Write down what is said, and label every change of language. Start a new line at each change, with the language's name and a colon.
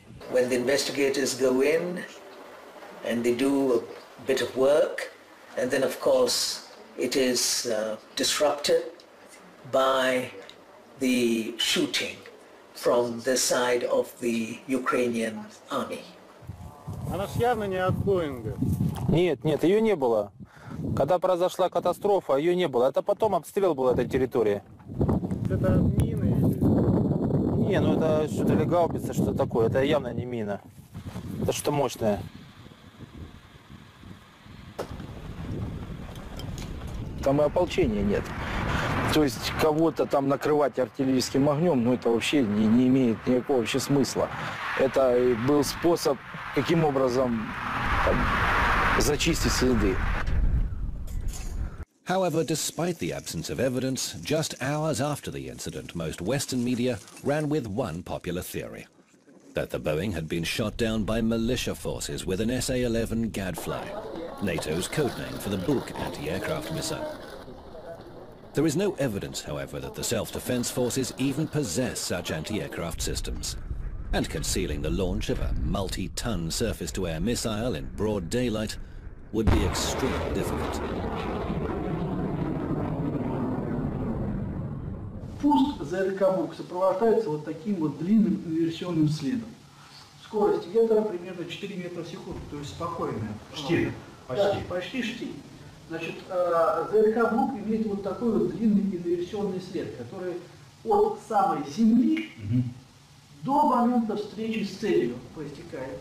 English: When the investigators go in and they do a bit of work, and then of course it is disrupted by the shooting from the side of the Ukrainian army.
Russian: Она ж явно не от Боинга. Нет, нет, ее не было. Когда произошла катастрофа, ее не было. Это потом обстрел был этой территории. Это мины или? Не, ну это что-то ли гаубица, что-то такое. Это явно не мина. Это что-то мощное. Там и ополчения нет. То есть кого-то там накрывать артиллерийским огнем, ну это вообще не имеет никакого вообще смысла. Это был способ, каким образом там, зачистить следы.
English: However, despite the absence of evidence, just hours after the incident, most Western media ran with one popular theory, that the Boeing had been shot down by militia forces with an SA-11 Gadfly, NATO's codename for the Buk anti-aircraft missile. There is no evidence, however, that the self-defense forces even possess such anti-aircraft systems, and concealing the launch of a multi-ton surface-to-air missile in broad daylight would be extremely difficult.
Russian: Пуск за РК-бук сопровождается вот таким вот длинным инверсионным следом. Скорость ветра примерно 4 метра в секунду, то есть спокойная. Штиль. Почти. Да, почти штиль. Значит, ЗРК-бук имеет вот такой вот длинный инверсионный след, который от самой земли до момента встречи с целью проистекает.